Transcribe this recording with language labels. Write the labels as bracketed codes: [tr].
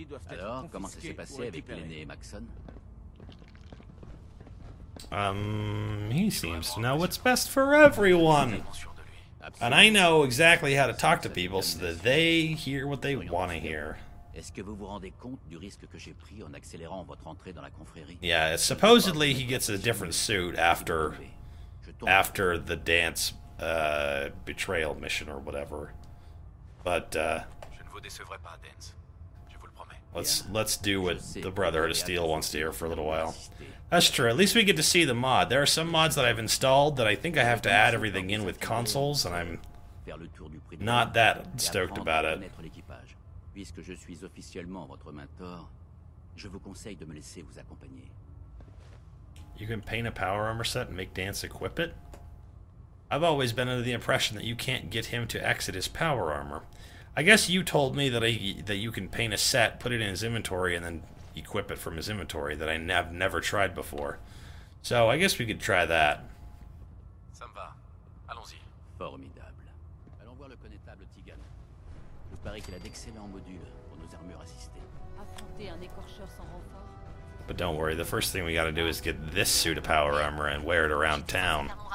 [fr] Alors, comment ça s'est passé avec l'aîné Maxon? [en] He seems to know what's best for everyone. And I know exactly how to talk to people so that they hear what they want to hear. [fr] Est-ce que vous vous rendez compte du risque que j'ai pris en accélérant votre entrée dans la confrérie? [en] Yeah, supposedly he gets a different suit after... after the dance betrayal mission or whatever. But [fr] je ne vous décevrai pas, Dance. Je vous le promets. [en] Let's do what the Brotherhood of Steel wants to hear for a little while. That's true. At least we get to see the mod. There are some mods that I've installed that I think I have to add everything in with consoles, and I'm not that stoked about it. [fr] Puisque je suis officiellement votre mentor, je vous conseille de me laisser vous accompagner. [en] You can paint a power armor set and make Dance equip it? I've always been under the impression that you can't get him to exit his power armor. I guess you told me that you can paint a set, put it in his inventory, and then equip it from his inventory that I have never tried before. So I guess we could try that. [fr] Ça me va. Allons-y. Formidable. Allons voir le connétable Tigan. Il paraît qu'il a d'excellents modules pour nos armures assistées. Affronter un écorcheur sans renfort. [en] But don't worry, the first thing we gotta do is get this suit of power armor and wear it around town.